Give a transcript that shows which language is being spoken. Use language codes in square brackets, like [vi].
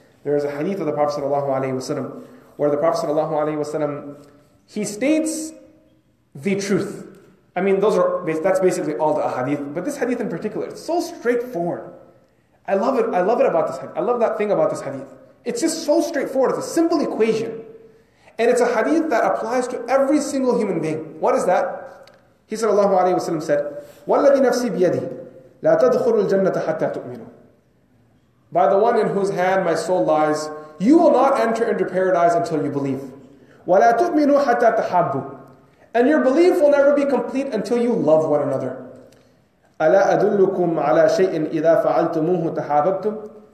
[en] There is a hadith of the Prophet sallallahu alaihi wasallam where the Prophet sallallahu alaihi wasallam, he states the truth. I mean, that's basically all the hadith, but this hadith in particular, it's so straightforward. I love it. I love it about this hadith. I love that thing about this hadith. It's just so straightforward. It's a simple equation. And it's a hadith that applies to every single human being. What is that? He sallallahu alaihi wasallam said, [ar] وَالَّذِي نَفْسِي بِيَدِي لَا تَدْخُلُ الْجَنَّةَ حَتَّى تُؤْمِنُ. [en] By the one in whose hand my soul lies, you will not enter into paradise until you believe. [ar] وَلَا تُؤْمِنُوا حَتَّى تَحَابُّوا. [en] And your belief will never be complete until you love one another. [ar] أَلَا أَدُلُّكُمْ عَلَى شَيْءٍ إِذَا فَعَلْتُمُوهُ تَحَابَبْتُمْ.